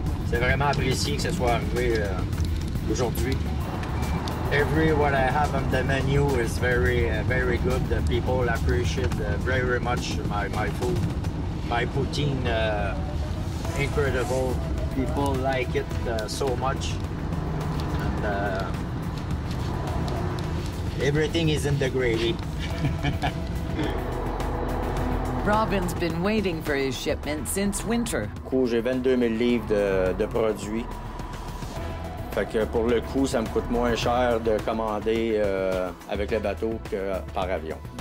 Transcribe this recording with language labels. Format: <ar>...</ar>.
<fr>C'est vraiment apprécié que ce soit arrivé aujourd'hui.</fr> <en>Every what I have on the menu is very, very good. The people appreciate very much my food. My poutine, incredible. People like it so much. And everything is in the gravy. Robin's been waiting for his shipment since winter.</en> <fr>J'ai 22,000 livres de produits. Fait que pour le coup, ça me coûte moins cher de commander avec le bateau que par avion.</fr>